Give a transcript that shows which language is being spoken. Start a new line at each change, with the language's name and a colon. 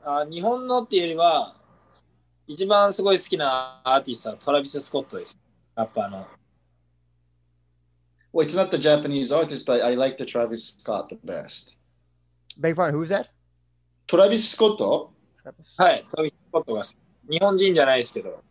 Japanese: 日本のっていうよりは一番すごい好きなアーティストはトラビス・スコットです。ラッパーの。
English: Well, it's not the Japanese artist, but I like the Travis Scott the best. Beg pardon, who is that?
Japanese: トラビス・スコット？はい、トラビス・スコットが好き。日本人じゃないですけど。